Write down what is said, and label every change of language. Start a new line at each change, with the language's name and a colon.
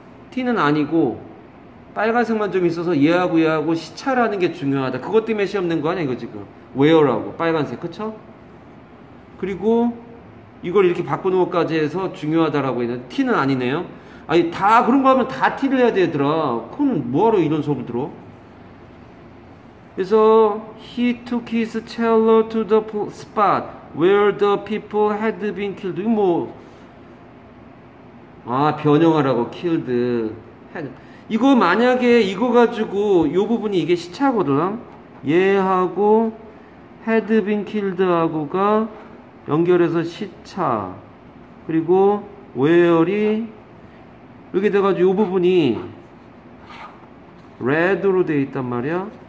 Korean: T는 아니고 빨간색만 좀 있어서 얘하고 얘하고 시차라는 게 중요하다. 그것 때문에 시험 낸 거 아니야, 이거 지금. Where라고, 빨간색, 그쵸? 그리고 이걸 이렇게 바꾸는 것까지 해서 중요하다라고 했는데 T는 아니네요. 아니 다 그런 거 하면 다 T를 해야 되더라. 그건 뭐하러 이런 수업을 들어? 그래서
English: He took his cello to the spot where the people had been killed.
Korean: 이거 뭐 아 변형하라고 killed 이거 만약에 이거 가지고 요 부분이 이게 시차거든. 얘하고
English: had been killed
Korean: 하고가 연결해서 시차 그리고 where이 이렇게 돼가지고 이 부분이 red로 돼 있단 말이야.